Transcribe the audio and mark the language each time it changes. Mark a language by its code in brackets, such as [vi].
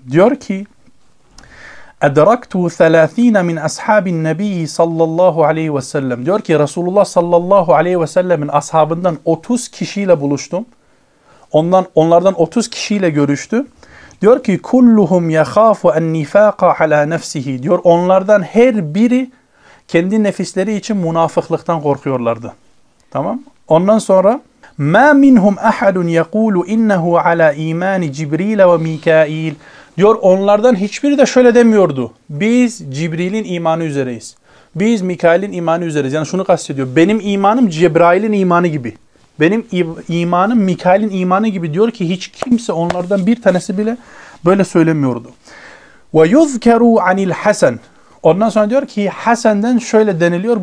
[tr] Diyor ki [ar] اَدْرَكْتُ ثَلَاث۪ينَ مِنْ أَصْحَابِ النَّب۪يِّ صَلَّى اللّٰهُ عَلَيْهِ وَسَلَّمْ [tr] Diyor ki Resulullah sallallahu aleyhi ve sellemin ashabından 30 kişiyle buluştum. Onlardan 30 kişiyle görüştü. Diyor ki [ar] كُلُّهُمْ يَخَافُ النِّفَاقَ عَلَى نَفْسِهِ [tr] Diyor onlardan her biri kendi nefisleri için münafıklıktan korkuyorlardı. Tamam. [ar] Ondan sonra مَا مِنْهُمْ أَحَدٌ يَقُولُ اِنَّهُ عَلَى اِيمَانِ جِبْرِيلَ وَمِكَائِيلِ [tr] Diyor onlardan hiçbiri de şöyle demiyordu. Biz Cibril'in imanı üzereyiz. Biz Mikail'in imanı üzereyiz. Yani şunu kastediyor. Benim imanım Cebrail'in imanı gibi. Benim imanım Mikail'in imanı gibi. Diyor ki hiç kimse onlardan bir tanesi bile böyle söylemiyordu. [ar] وَيُذْكَرُوا عَنِ الْحَسَنِ [tr] Ondan sonra diyor ki Hasan'dan şöyle deniliyor.